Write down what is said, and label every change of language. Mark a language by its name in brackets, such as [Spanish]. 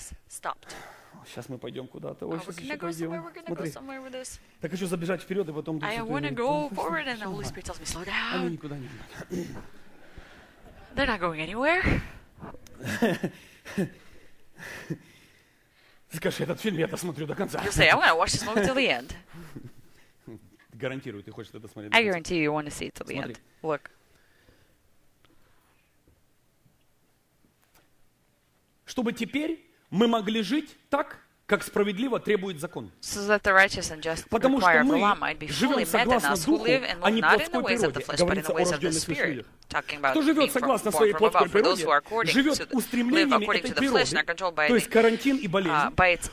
[Russian] Сейчас мы пойдем куда-то. Смотри. Так хочу забежать вперед, и потом... Они никуда не идут. [English] They're not going anywhere. [Russian] Скажи, этот фильм я досмотрю до конца. [English] You'll say, I want to watch this movie till the end. [Russian] Гарантирую, ты хочешь это смотреть. [English] I guarantee you want to see it till the end. Look. [Russian] Чтобы теперь мы могли жить так, как справедливо требует закон. [English] So that the righteous and just [Russian] потому [English] require of the law might be fully met in us who live and live not in the ways of the flesh, but in the ways of the spirit. Talking about [Russian] кто живет согласно своей плоской природе, живет устремлениями этой природы, то есть карантин и болезнь.